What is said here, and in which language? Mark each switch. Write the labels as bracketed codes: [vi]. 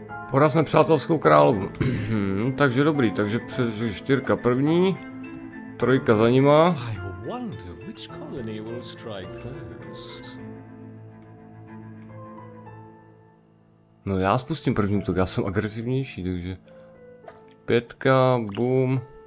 [cs] Poraz nepřátelskou královnu. Takže dobrý, takže přes 4 první. 3 za nima. [en] Which colony will strike first? [cs] No já spustím první útok, já jsem agresivnější, takže... 5, boom.